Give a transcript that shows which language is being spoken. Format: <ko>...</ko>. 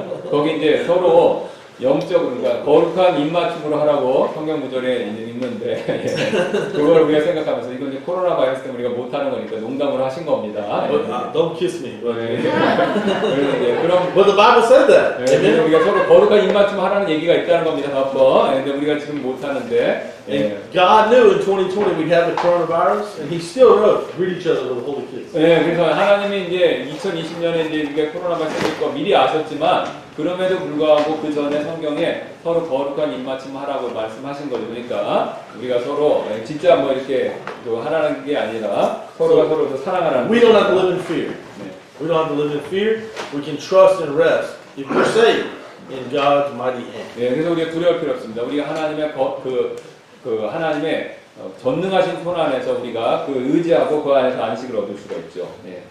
<ko>거기 이제 서로 영적 그러니까 거룩한 입맞춤으로 하라고 성경 구절에 있는데 그걸 우리가 생각하면서 이건 이제 코로나 바이러스 때문에 우리가 못하는 거니까 농담을 하신 겁니다.</ko> <en>But, don't kiss me.</en> <ko>그럼</ko> <en>But the Bible said that.</en> <ko>네, 우리가 서로 거룩한 입맞춤 하라는 얘기가 있다는 겁니다. 바빠. 근데 우리가 지금 못하는데</ko> <en>And God knew in 2020 we'd have the coronavirus, and He still wrote, "Greet each other with a holy kiss."</en> <ko>예, 그래서 하나님이 이제 2020년에 이제 이게 코로나 발생했고 미리 아셨지만 그럼에도 불구하고 그 전에 성경에 서로 거룩한 입맞춤하라고 말씀하신 거죠. 그러니까 우리가 서로 진짜 뭐 이렇게 또 하나는 게 아니라 서로가 서로 더 사랑하라는.</ko> <en>We don't have to live in fear. We don't have to live in fear. We can trust and rest if we're saved in God's mighty hand.</en> <ko>예, 그래서 우리가 두려울 필요 없습니다. 우리가 하나님의 그 하나님의 전능하신 손 안에서 우리가 그 의지하고 그 안에서 안식을 얻을 수가 있죠. 예.</ko>